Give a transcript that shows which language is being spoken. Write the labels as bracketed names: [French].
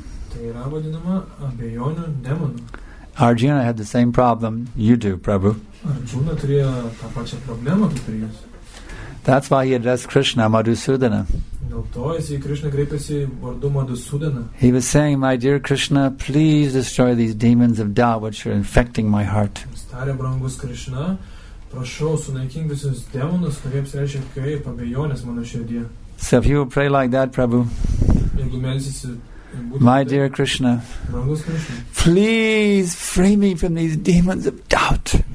[Lithuanian] Tai yra vadinama abejonių demonu. [English] Arjuna had the same problem you do, Prabhu. [Lithuanian] Arjuna turėjo tą pačią problemą kaip ir jis. [English] That's why he addressed Krishna, Madhusudana. He was saying, my dear Krishna, please destroy these demons of doubt which are infecting my heart. So if you will pray like that, Prabhu, my dear Krishna, please free me from these demons of doubt.